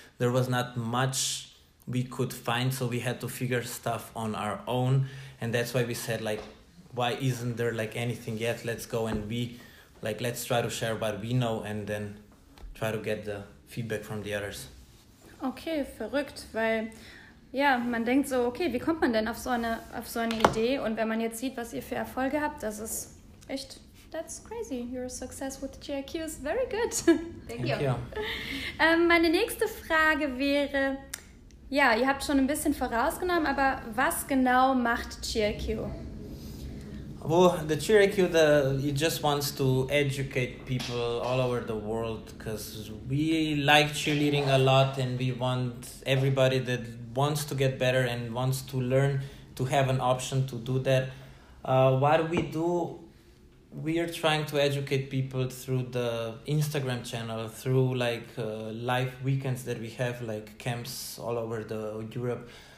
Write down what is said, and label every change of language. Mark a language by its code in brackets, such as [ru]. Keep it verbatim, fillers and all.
[en] There was not much we could find, so we had to figure stuff on our own, and that's why we said like, why isn't there like anything yet? Let's go and be like, let's try to share what we know and then try to get the feedback from the others. [de] Okay, verrückt, weil ja, man denkt so, okay, wie kommt man denn auf so eine auf so eine Idee? Und wenn man jetzt sieht, was ihr für Erfolge habt, das ist echt, [en] that's crazy. Your success with J I Q is very good. Thank you. Thank you. [de] Ähm, meine nächste Frage wäre, ja, ihr habt schon ein bisschen vorausgenommen, aber was genau macht J I Q? [en] Well, the J I Q, the it just wants to educate people all over the world, because we like cheerleading a lot and we want everybody that wants to get better and wants to learn to have an option to do that. Uh, what we do, we are trying to educate people through the Instagram channel, through like uh, live weekends that we have, like camps all over the Europe.